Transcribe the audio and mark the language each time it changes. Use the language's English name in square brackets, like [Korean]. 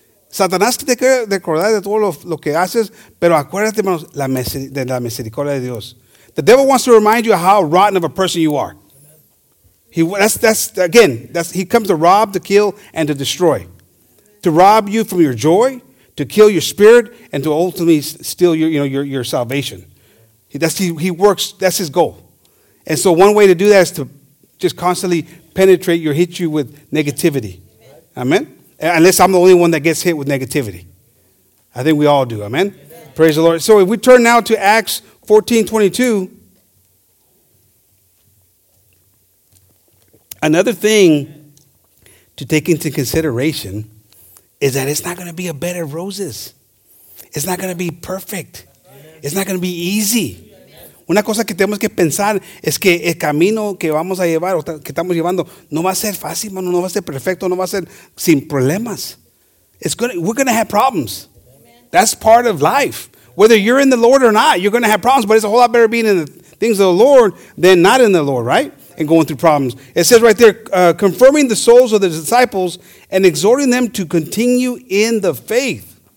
[Spanish] Satanás te quiere recordar de todo lo que haces. Pero acuérdate, hermanos, de la misericordia de Dios. [English] The devil wants to remind you how rotten of a person you are. He comes to rob, to kill, and to destroy. To rob you from your joy. To kill your spirit and to ultimately steal your salvation. He works. That's his goal. And so one way to do that is to just constantly penetrate your, hit you with negativity. Amen. Amen? Unless I'm the only one that gets hit with negativity. I think we all do. Amen. Amen. Praise the Lord. So if we turn now to Acts 14:22, another thing to take into consideration is that it's not going to be a bed of roses. It's not going to be perfect. Amen. It's not going to be easy. Amen. [Spanish] Una cosa que tenemos que pensar es que el camino que vamos a llevar, o que estamos llevando, no va a ser fácil, mano, no va a ser perfecto, no va a ser sin problemas. [English] We're going to have problems. Amen. That's part of life. Whether you're in the Lord or not, you're going to have problems, but it's a whole lot better being in the things of the Lord than not in the Lord, right? And going through problems. It says right there, confirming the souls of the disciples and exhorting them to continue in the faith.